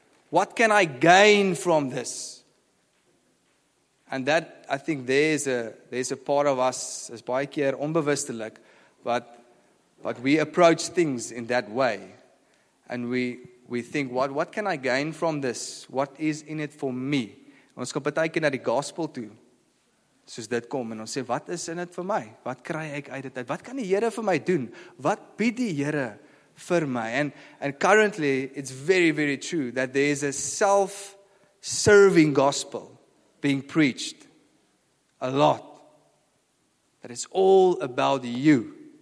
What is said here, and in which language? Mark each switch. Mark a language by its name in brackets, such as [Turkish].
[English] What can I gain from this? And that, I think there's a part of us, [Afrikaans] as baie keer onbewustelik, [English] but we approach things in that way. And we think, what can I gain from this? What is in it for me? [Afrikaans] Ons kom baie keer na die gospel toe, soos dit kom, en ons sê, wat is in het vir my? Wat kry ek uit dit? Wat kan die Here vir my doen? Wat bied die Here vir my? [English] And currently, it's very, very true that there is a self-serving gospel being preached a lot. That it's all about you.